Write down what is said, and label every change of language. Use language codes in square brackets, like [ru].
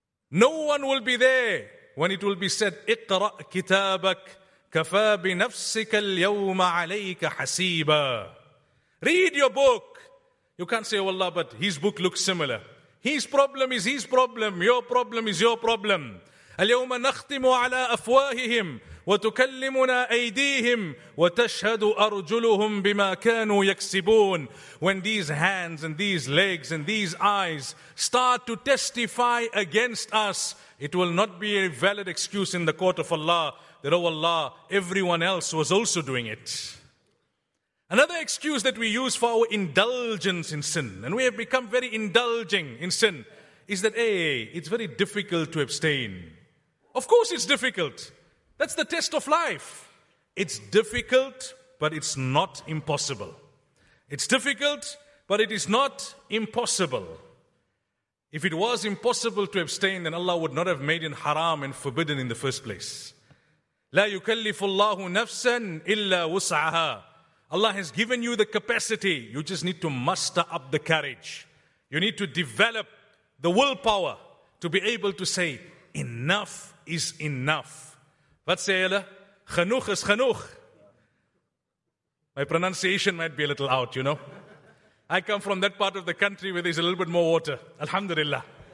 [en] No one will be there when it will be said, [ar] اقرأ كتابك كفى بنفسك اليوم عليك حسيبا. [en] Read your book. You can't say, oh Allah, but his book looks similar. His problem is his problem. Your problem is your problem. [ar] اليوم نختم على أفواههم وتكلمنا أيديهم وتشهد أرجلهم بما كانوا يكسبون. [en] When these hands and these legs and these eyes start to testify against us, it will not be a valid excuse in the court of Allah that, oh Allah, everyone else was also doing it. Another excuse that we use for our indulgence in sin, and we have become very indulging in sin, is that, hey, it's very difficult to abstain. Of course it's difficult. That's the test of life. It's difficult, but it's not impossible. It's difficult, but it is not impossible. If it was impossible to abstain, then Allah would not have made it haram and forbidden in the first place. [ar] لا يكلف الله نفسا إلا وسعها. [en] Allah has given you the capacity. You just need to muster up the courage. You need to develop the willpower to be able to say, enough is enough. What say Allah? [af] Genoeg is genoeg. [en] My pronunciation might be a little out, you know. I come from that part of the country where there's a little bit more water. Alhamdulillah.